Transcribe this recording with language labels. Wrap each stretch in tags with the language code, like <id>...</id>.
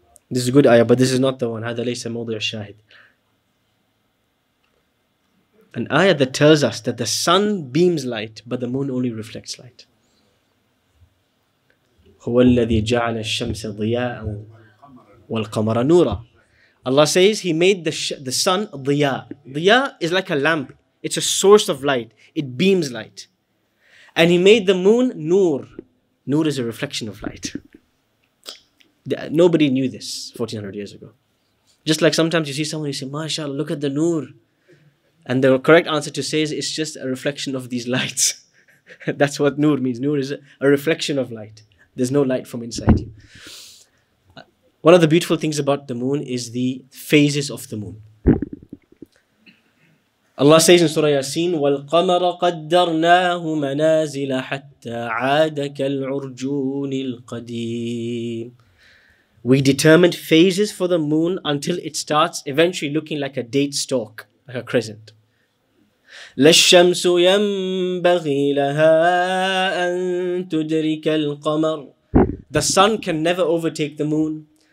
<en>This is a good ayah, but this is not the one.</en> <ar>هذا ليس موضع الشاهد.</ar> <en>An ayah that tells us that the sun beams light, but the moon only reflects light.</en> <ar>هو الذي جعل الشمس ضياء والقمر نورا.</ar> <en>Allah says He made the sun ضياء. ضياء is like a lamp. It's a source of light. It beams light. And He made the moon نور. Nur is a reflection of light. Nobody knew this 1400 years ago. Just like sometimes you see someone, you say, MashaAllah, look at the Nur. And the correct answer to say is, it's just a reflection of these lights. That's what Nur means. Nur is a reflection of light. There's no light from inside you. One of the beautiful things about the moon is the phases of the moon. Allah says in Surah Yasin,</en> <ar>وَالْقَمَرَ قَدَّرْنَاهُ مَنَازِلَ حَتَّى عَادَكَ الْعُرْجُونِ الْقَدِيمِ.</ar> <en>We determined phases for the moon until it starts eventually looking like a date stalk, like a crescent.</en> <ar>لَشَّمْسُ يَنْبَغِي لَهَا أَن تُدْرِكَ الْقَمَرِ.</ar> <en>The sun can never overtake the moon.</en>